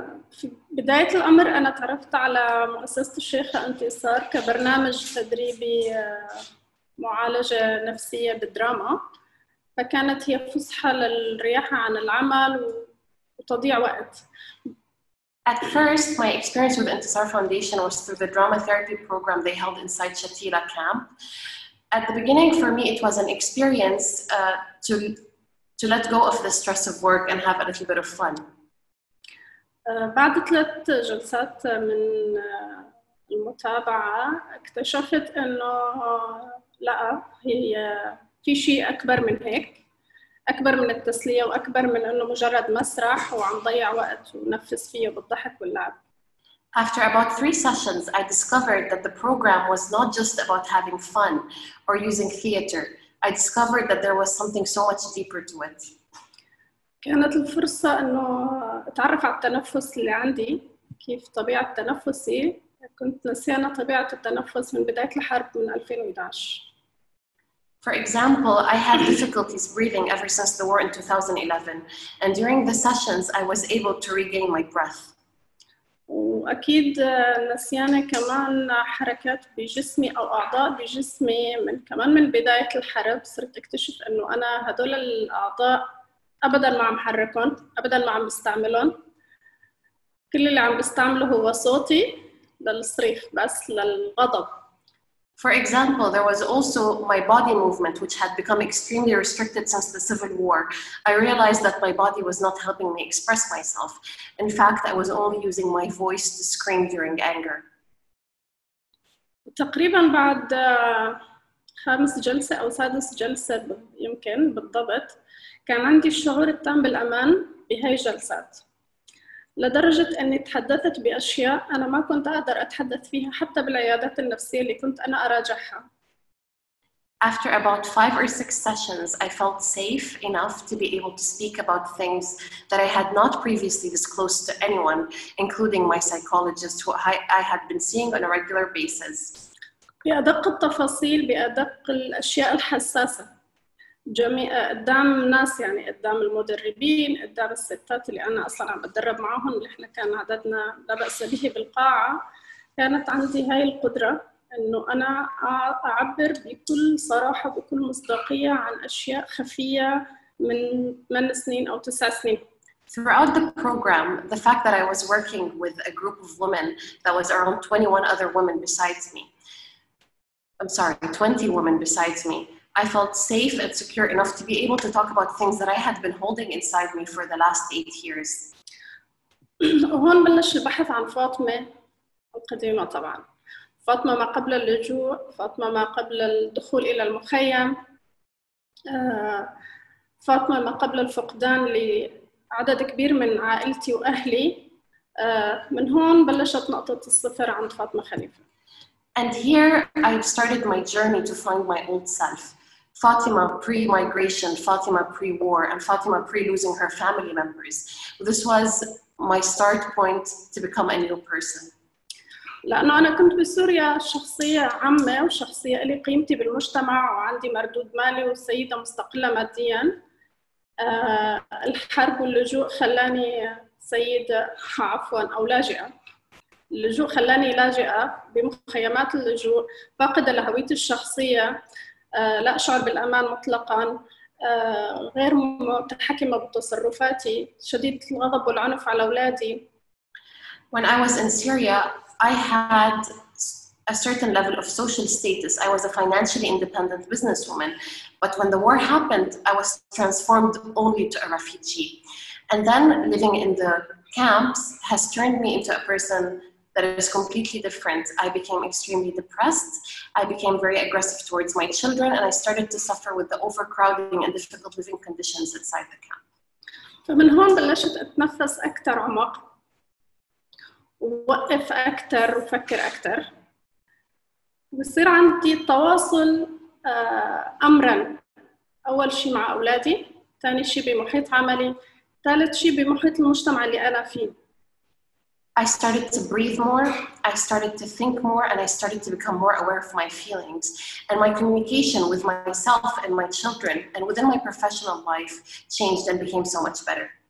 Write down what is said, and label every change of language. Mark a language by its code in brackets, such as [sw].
[ar] في بداية الأمر أنا تعرفت على مؤسسة الشيخة انتصار كبرنامج تدريبي معالجة نفسية بالدراما، فكانت هي فسحة للرياحة عن العمل وتضيع وقت. [en] At first, my experience with Intisar Foundation was through the drama therapy program they held inside Shatila camp. At the beginning, for me, it was an experience to let go of the stress of work and have a little bit of fun. [ar] بعد 3 جلسات من المتابعة اكتشفت إنه لا، هي في شيء أكبر من هيك، أكبر من التسلية وأكبر من إنه مجرد مسرح وعم ضيع وقت ونفس فيه بالضحك واللعب. [en] After about 3 sessions, I discovered that the program was not just about having fun or using theater. I discovered that there was something so much deeper to it. [ar] كانت الفرصة إنه أتعرف على التنفس اللي عندي، كيف طبيعة تنفسي. كنت نسيانة طبيعة التنفس من بداية الحرب من 2011. [en] For example, I had difficulties breathing ever since the war in 2011. And during the sessions, I was able to regain my breath. [ar] وأكيد نسيانة كمان حركات بجسمي أو أعضاء بجسمي من كمان من بداية الحرب. صرت أكتشف إنه أنا هدول الأعضاء أبداً ما عم حركهم، أبداً ما عم بستعملهم. كل اللي عم بستعمله هو صوتي للصريخ بس، للغضب. [en] For example, there was also my body movement which had become extremely restricted since the civil war. I realized that my body was not helping me express myself. In fact, I was only using my voice to scream during anger. [ar] تقريباً بعد 5 جلسة أو 6 جلسة يمكن بالضبط كان عندي الشعور التام بالأمان بهاي الجلسات. لدرجة أني تحدثت بأشياء أنا ما كنت أقدر أتحدث فيها حتى بالعيادات النفسية اللي كنت أنا أراجعها. [en] After about 5 or 6 sessions, I felt safe enough to be able to speak about things that I had not previously disclosed to anyone, including my psychologist, who I had been seeing on a regular basis. [ar] بأدق التفاصيل بأدق الأشياء الحساسة. جميع قدام الناس يعني قدام المدربين قدام الستات اللي أنا أصلاً عم بتدرب معهم اللي إحنا كان عددنا لا بأس به بالقاعة كانت عندي هاي القدرة إنه أنا أعبر بكل صراحة بكل مصداقية عن أشياء خفية من 8 سنين أو 9 سنين. [en] Throughout the program, the fact that I was working with a group of women that was around 21 other women besides me. I'm sorry, 20 women besides me. I felt safe and secure enough to be able to talk about things that I had been holding inside me for the last 8 years. [ar] هون بلش البحث عن فاطمة القديمة طبعا. فاطمة ما قبل اللجوء, فاطمة ما قبل الدخول إلى المخيم, فاطمة ما قبل الفقدان لعدد كبير من عائلتي وأهلي. من هون بلشت نقطة الصفر عند فاطمة خليفة. [en] And here I've started my journey to find my old self. Fatima pre-migration, Fatima pre-war, and Fatima pre-losing her family members. This was my start point to become a new person. [ar] لأنه أنا كنت بسوريا شخصية عامة وشخصية لي قيمتي بالمجتمع وعندي مردود مالي وسيدة مستقلة مادياً. الحرب واللجوء خلاني سيدة, عفواً, أو لاجئة. اللجوء خلاني لاجئة بمخيمات اللجوء, فاقدة لهويتي الشخصية, لا أشعر بالأمان مطلقاً, غير متحكمة بتصرفاتي, شديدة الغضب والعنف على أولادي. [en] When I was in Syria, I had a certain level of social status. I was a financially independent businesswoman. But when the war happened, I was transformed only to a refugee. And then living in the camps has turned me into a person that is completely different. I became extremely depressed. I became very aggressive towards my children, and I started to suffer with the overcrowding and difficult living conditions inside the camp. [ar] فمن هون بلشت أتنفس أكثر عمق, ووقف أكثر وفكر أكثر. بصير عندي تواصل أمراً. أول شيء مع أولادي, ثاني شيء بمحيط عملي, ثالث شيء بمحيط المجتمع اللي أنا فيه. [en] I started to breathe more, I started to think more, and I started to become more aware of my feelings. And my communication with myself and my children and within my professional life changed and became so much better.